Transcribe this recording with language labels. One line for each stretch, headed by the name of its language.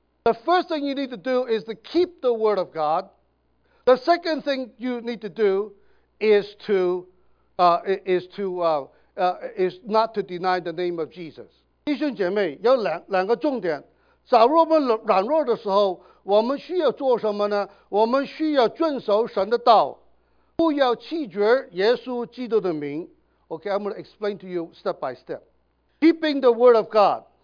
English: The first thing you need to do is to keep the word of God. The second thing you need to do is not to deny the name of Jesus.
Chinese: 弟兄姐妹，有两个重点。假如我们软弱的时候，我们需要做什么呢？我们需要遵守神的道，不要弃绝耶稣基督的名。
English: Okay, I'm going to explain to you step by step. Keeping the word of God.